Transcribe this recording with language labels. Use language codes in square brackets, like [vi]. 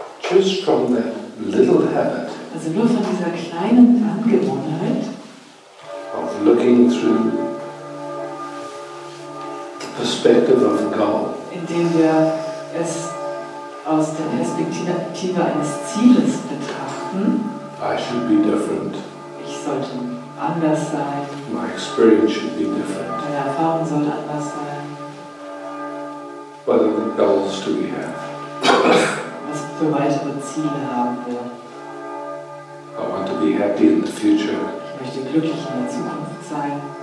[en] Just from that little habit. [de] Also nur von dieser kleinen Angewohnheit. [en] Of looking through the perspective of a goal. [de] Indem wir es aus der Perspektive eines Zieles betrachten. [en] I should be different. [de] Ich sollte anders sein. [en] My experience should be different. [de] Meine Erfahrung sollte anders sein. [en] What other goals do we have? [de] Was für weitere Ziele haben wir? [en] I want to be happy in the future. [de] Ich möchte glücklich in der Zukunft sein.